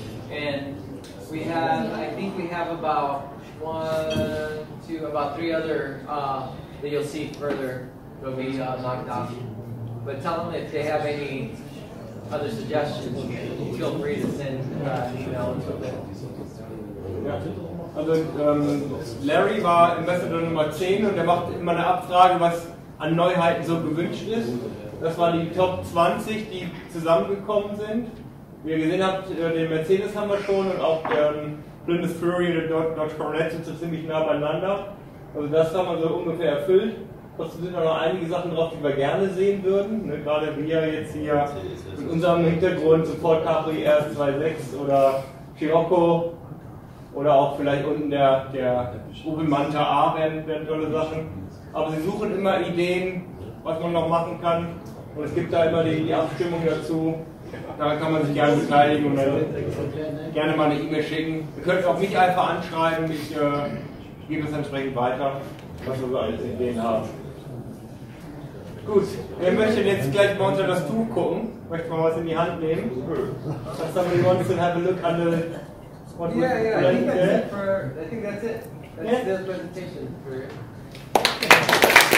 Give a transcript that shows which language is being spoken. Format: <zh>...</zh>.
<en>And I think we have about three other that you'll see further. It'll be knocked off. But tell them if they have any other suggestions, feel free to send an email to them.</en> <de>Also Larry war Ambassador Nummer 10 und er macht immer eine Abfrage, was an Neuheiten so gewünscht ist. Das waren die Top 20, die zusammengekommen sind. Wie ihr gesehen habt, den Mercedes haben wir schon und auch der Plymouth Fury und der Dodge Coronet sind so ziemlich nah beieinander. Also das haben wir so ungefähr erfüllt. Trotzdem sind da noch einige Sachen drauf, die wir gerne sehen würden. Ne, gerade wir jetzt hier mit unserem Hintergrund, sofort Capri R26 oder Scirocco. Oder auch vielleicht unten der Opel Manta A werden tolle Sachen. Aber sie suchen immer Ideen, was man noch machen kann. Und es gibt da immer die Abstimmung dazu. Da kann man sich gerne beteiligen und gerne mal eine E-Mail schicken. Ihr könnt auch mich einfach anschreiben. Ich gebe es entsprechend weiter, was wir so als Ideen haben. Gut, wer möchte jetzt gleich mal unter das Tuch gucken? Möchte mal was in die Hand nehmen? Cool.</de> <en>If somebody wants to have a look under the... What yeah, yeah, I think that's it. That's the presentation for...</en>